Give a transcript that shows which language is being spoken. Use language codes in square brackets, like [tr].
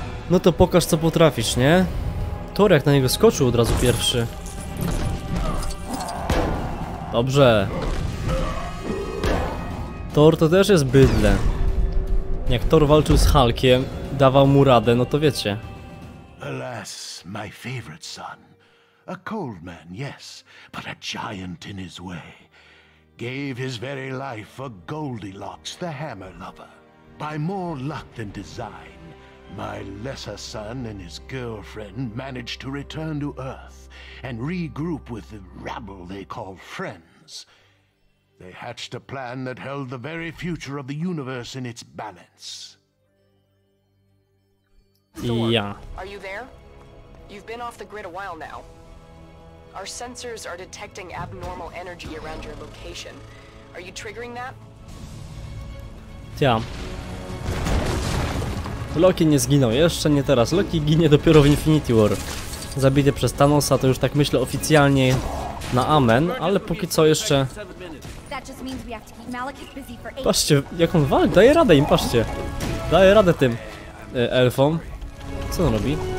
[pl] No to pokaż, co potrafisz, nie? Thor jak na niego skoczył od razu pierwszy. Dobrze. Thor to też jest bydle. Jak Thor walczył z Hulkiem, dawał mu radę, no to wiecie. [en] Alas, my favorite son. A cold man, yes, but a giant in his way. Gave his very life for Goldilocks, the hammer lover. By more luck than design, my lesser son and his girlfriend managed to return to Earth and regroup with the rabble they call friends. They hatched a plan that held the very future of the universe in its balance. Yeah. Are you there? You've been off the grid a while now. Our sensors are detecting abnormal energy around your location. Are you triggering that? Tja. [pl] Loki nie zginął, jeszcze nie teraz. Loki ginie dopiero w Infinity War. Zabity przez Thanosa, to już tak myślę oficjalnie na amen, ale póki co jeszcze... Patrzcie, jaką walkę, daje radę im, patrzcie. Daje radę tym elfom. Co on robi?